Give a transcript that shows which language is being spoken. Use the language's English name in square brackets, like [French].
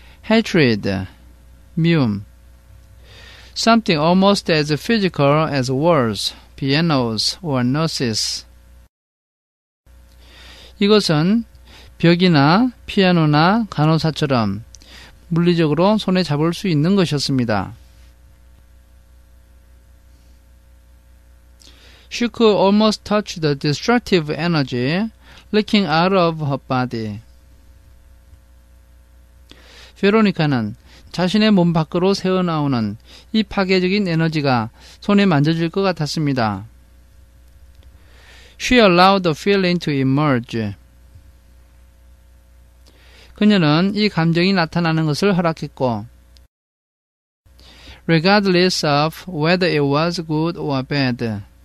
[English] Hatred. [Korean] 미움. [English] Something almost as physical as words, pianos, or nurses. [Korean] 이것은 벽이나 피아노나 간호사처럼 물리적으로 손에 잡을 수 있는 것이었습니다. [English] She could almost touch the destructive energy leaking out of her body. [Korean] 베로니카는 자신의 몸 밖으로 새어나오는 이 파괴적인 에너지가 손에 만져질 것 같았습니다. [English] She allowed the feeling to emerge. [Korean] 그녀는 이 감정이 나타나는 것을 허락했고, [English] regardless of whether it was good or bad.